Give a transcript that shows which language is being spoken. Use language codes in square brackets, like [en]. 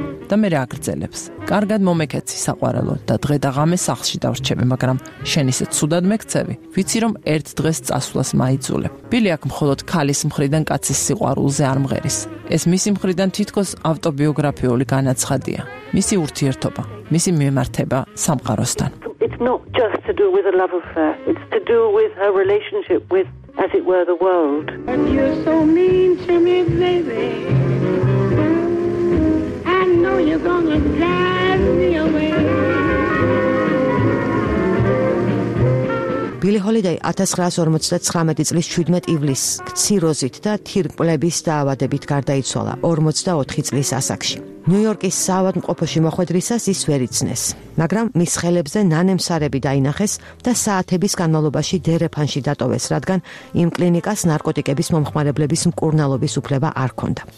[ka] და მე რაგრძელებს. კარგად მომეკეცი საყვარელო და დღე და ღამე სახლში დავრჩები, მაგრამ შენ ისე ცუდად მექცევი. ვიცი რომ ერთ დღეს წასვლას მაიძულებ. ბილი აქ მხოლოდ ქალის მხრიდან კაცის სიყვარულზე არ მღერის. ეს მისი მხრიდან თითქოს ავტობიოგრაფიული განაცხადია. მისი ურთიერთობა, მისი მიმართება სამყაროსთან. [en] It's not just to do with a love affair. It's to do with her relationship with, as it were, the world. And you're so mean to me, baby. I know you're gonna drive me away. [ka] ბილი ჰოლიდეი 1959 წლის 17 ივლისს ქციროზით და თირკმლების დაავადებით გარდაიცვალა 44 წლის ასაკში. ნიუ-იორკის საავადმყოფოში მოხვედრისას ის ვერ იცნეს, მაგრამ მის ხელებზე ნანემსარები დაინახეს და საათების განმავლობაში დერეფანში დატოვეს, რადგან იმ კლინიკას ნარკოტიკების მომხმარებლების მკურნალობის უფლება არ ჰქონდა.